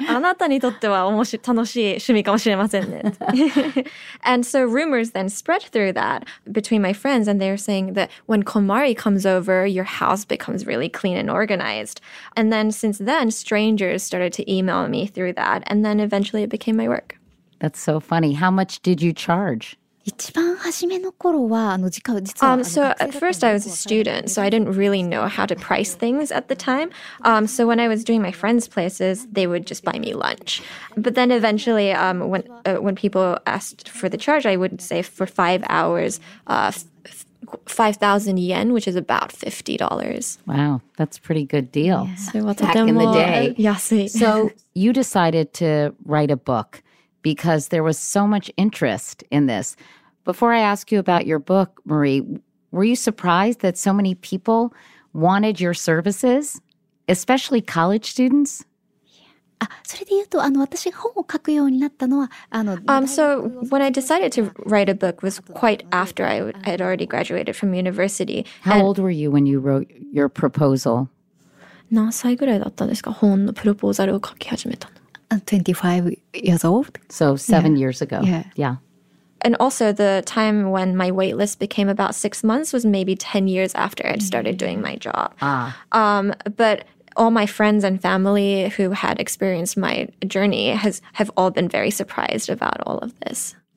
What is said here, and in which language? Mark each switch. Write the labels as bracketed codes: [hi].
[ja] あなたにとっては楽しい趣味かもしれませんね。 [en] And so rumors then spread through that between my friends and they're saying that when Komari comes over, your house becomes really clean and organized. And then since then, strangers started to email me through that and then eventually it became my work. That's so funny. How much did you charge? [ja] 一番初めの頃は時間実は [en] So at first I was a student, so I didn't really know how to price things at the time. So when I was doing my friends' places, they would just buy me lunch. But then eventually when people asked for the charge, I would say for 5 hours, 5,000 yen, which is about $50. Wow, that's a pretty good deal. Yeah. Back in the day. So you decided to write a book because there was so much interest in this. Before I ask you about your book, Marie, were you surprised that so many people wanted your services, especially college students? [ja] それで言うと、私が本を書くようになったのは、 [en] So when I decided to write a book was quite after I had already graduated from university. How old were you when you wrote your proposal? [ja] 何歳ぐらいだったんですか、本のプロポーザルを書き始めたの。 [en] 25 years old. So 7 years ago. Yeah. And also the time when my wait list became about 6 months was maybe 10 years after I'd started doing my job. But... All my friends and family who had experienced my journey have all been very surprised about all of this.